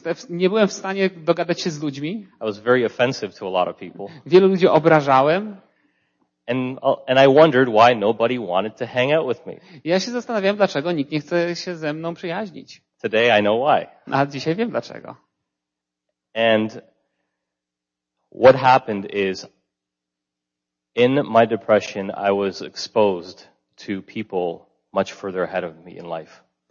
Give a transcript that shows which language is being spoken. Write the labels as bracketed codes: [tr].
[pl] Nie byłem w stanie dogadać się z ludźmi. [en] I was very offensive to a lot of people. [pl] Wielu ludzi obrażałem. [en] And I wondered why nobody wanted to hang out with me. [pl] Ja się zastanawiałem, dlaczego nikt nie chce się ze mną przyjaźnić. [en] Today I know why. [pl] A dzisiaj wiem dlaczego. [en] And what happened is in my depression I was exposed to people much further ahead of me in life.